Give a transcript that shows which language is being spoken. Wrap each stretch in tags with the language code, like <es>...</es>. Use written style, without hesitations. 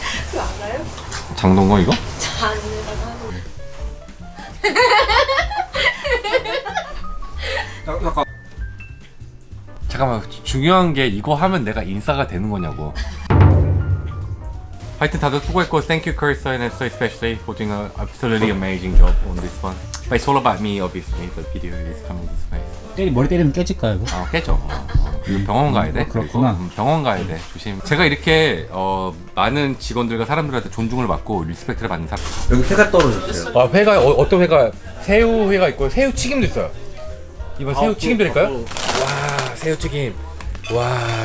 <ko>그거 알아요? 장동건 이거? 잔에다가 하고. 잠깐만, 중요한 게 이거 하면 내가 인싸가 되는 거냐고. 하여튼 다들 수고했고,</ko> <en>thank you, Carissa, and so especially for doing an absolutely amazing job on this one. But it's all about me, obviously. The video is coming this way.</en> <ko>머리 때리면 깨질까요? 이거? 아, 깨져. 병원 가야 돼. 그렇구나. 병원 가야 돼. 조심. 제가 이렇게 많은 직원들과 사람들한테 존중을 받고 리스펙트를 받는 사람. 여기 회가 떨어졌어요. 아, 회가 어떤 회가? 새우 회가 있고 새우 튀김도 있어요. 이번 새우 튀김 드릴까요? 와, 새우 튀김. 와.</ko>